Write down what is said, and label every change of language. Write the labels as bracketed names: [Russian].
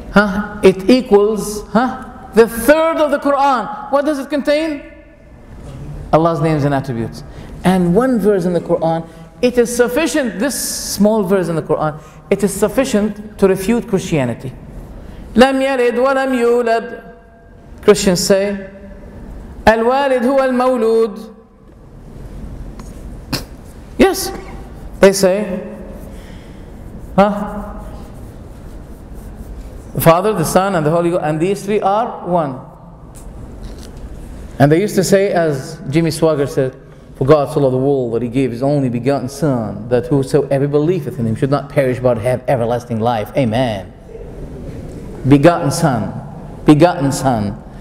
[English] Huh? It equals the third of the Quran. What does it contain? Allah's names and attributes. And one verse in the Quran, it is sufficient, this small verse in the Quran, it is sufficient to refute Christianity. [Arabic] لَمْ يَلِدْ وَلَمْ يُولَدْ. [English] Christians say, [Arabic] الْوَالِدْ هُوَ الْمَوْلُودِ. [English] Yes, they say, the Father, the Son, and the Holy Ghost, and these three are one. And they used to say, as Jimmy Swagger said, for God so loved the world that He gave His only begotten Son, that whosoever believeth in Him should not perish but have everlasting life. Amen. Begotten Son. Begotten Son.